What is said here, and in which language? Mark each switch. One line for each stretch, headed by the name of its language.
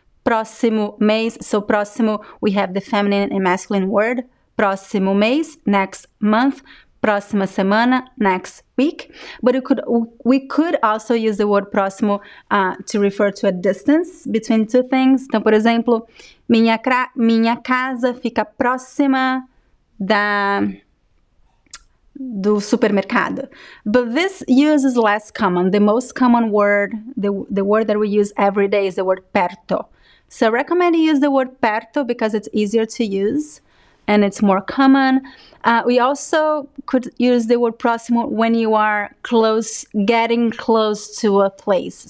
Portuguese: Próximo mês.
English: So próximo, we have the feminine and masculine word.
Portuguese: Próximo mês,
English: next month.
Portuguese: Próxima semana,
English: next week. But we could also use the word próximo to refer to a distance between two things.
Portuguese: Então, por exemplo, minha casa fica próxima do supermercado.
English: But this use is less common. The most common word, the word that we use every day is the word perto. So I recommend you use the word perto because it's easier to use. And it's more common. We also could use the word próximo when you are getting close to a place.